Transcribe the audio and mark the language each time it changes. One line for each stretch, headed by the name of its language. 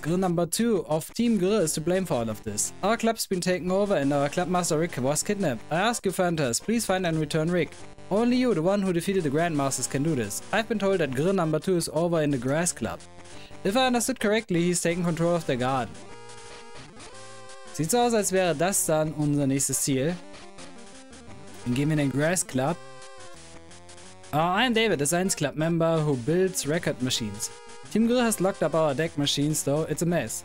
English: Grill number 2 of Team Grill is to blame for all of this. Our club's been taken over and our clubmaster Rick was kidnapped. I ask you, Fantas, please find and return Rick. Only you, the one who defeated the Grandmasters, can do this. I've been told that Grill number 2 is over in the Grass Club. If I understood correctly, he's taking control of the garden.
German: Sieht so aus, als wäre das dann unser nächstes Ziel. Dann gehen wir in den Grass Club.
English: I'm David, a Science Club member who builds record machines. Team Grill has locked up our deck machines, though it's a mess.